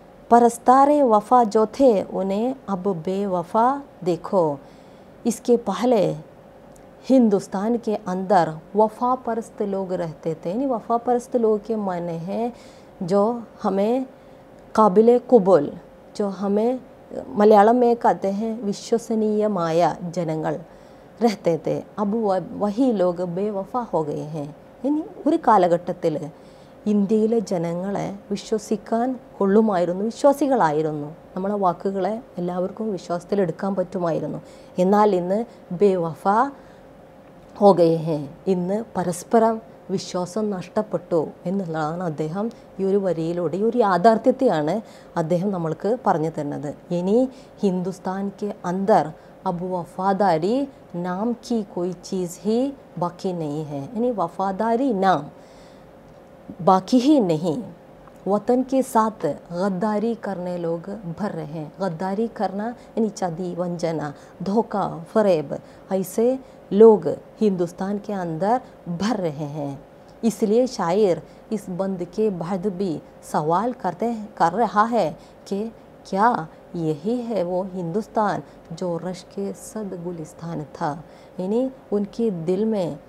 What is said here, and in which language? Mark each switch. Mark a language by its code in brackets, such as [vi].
[hi] परस्तारे वफा जो थे उन्हें अब बेवफा देखो, इसके पहले हिंदुस्तान के अंदर वफा परस्त लोग रहते थे, यानी वफा परस्त लोग के माने हैं जो हमें काबिले कुबूल, जो हमें मलयालम में कहते हैं [ml] विश्वसनीय माया जनंगल [hi] रहते थे, अब वही लोग बेवफा हो गए हैं। यानी और [ml] कालघट्टत्तिल ഇന്ത്യയിലെ ജനങ്ങളെ വിശ്വസിക്കാൻ കൊള്ളുമായിരുന്നു, വിശ്വാസികളായിരുന്നു, നമ്മളെ വാക്കുകളെ എല്ലാവർക്കും വിശ്വാസത്തിൽ എടുക്കാൻ പറ്റുമായിരുന്നു. എന്നാൽ ഇന്ന് [hi] ബേവഫ ഹോഗയേ, [ml] ഇന്ന് പരസ്പരം വിശ്വാസം നഷ്ടപ്പെട്ടു എന്നുള്ളതാണ് അദ്ദേഹം ഈ ഒരു വരിയിലൂടെ, ഈ ഒരു യാഥാർത്ഥ്യത്തെയാണ് അദ്ദേഹം നമ്മൾക്ക് പറഞ്ഞു തരുന്നത്. [hi] ഇനി ഹിന്ദുസ്ഥാനിക്ക് അന്തർ അബു വഫാദാരി നാം കി കോയി ചീസ് ഹി ബാക്കി നെയ് ഹെ, ഇനി വഫാദാരി നാം बाकी ही नहीं, वतन के साथ गद्दारी करने लोग भर रहे हैं। गद्दारी करना यानी चादी, वंजना, धोखा, फरेब, ऐसे लोग हिंदुस्तान के अंदर भर रहे हैं। इसलिए शायर इस बंद के बाद भी सवाल करते कर रहा है कि क्या यही है वो हिंदुस्तान जो रश के सद गुलिस्तान था, यानी उनके दिल में